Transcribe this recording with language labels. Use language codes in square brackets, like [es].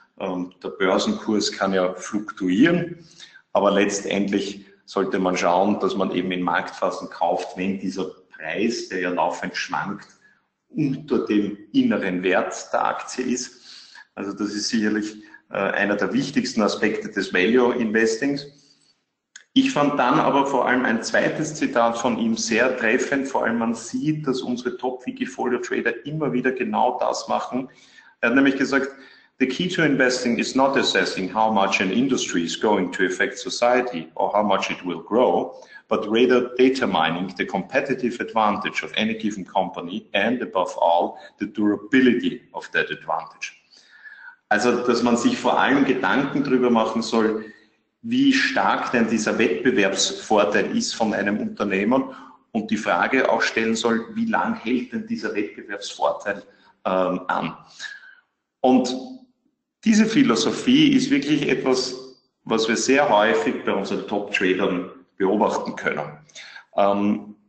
[de] Der Börsenkurs kann ja fluktuieren, aber letztendlich sollte man schauen, dass man eben in Marktphasen kauft, wenn dieser Preis, der ja laufend schwankt, unter dem inneren Wert der Aktie ist. Also das ist sicherlich einer der wichtigsten Aspekte des Value Investings. Ich fand dann aber vor allem ein zweites Zitat von ihm sehr treffend. Vor allem man sieht, dass unsere Top-Wikifolio-Trader immer wieder genau das machen. Er hat nämlich gesagt, [en] the key to investing is not assessing how much an industry is going to affect society or how much it will grow, but rather determining the competitive advantage of any given company and above all the durability of that advantage. [de] Also, dass man sich vor allem Gedanken darüber machen soll, wie stark denn dieser Wettbewerbsvorteil ist von einem Unternehmen und die Frage auch stellen soll, wie lang hält denn dieser Wettbewerbsvorteil an? Und diese Philosophie ist wirklich etwas, was wir sehr häufig bei unseren Top-Tradern beobachten können.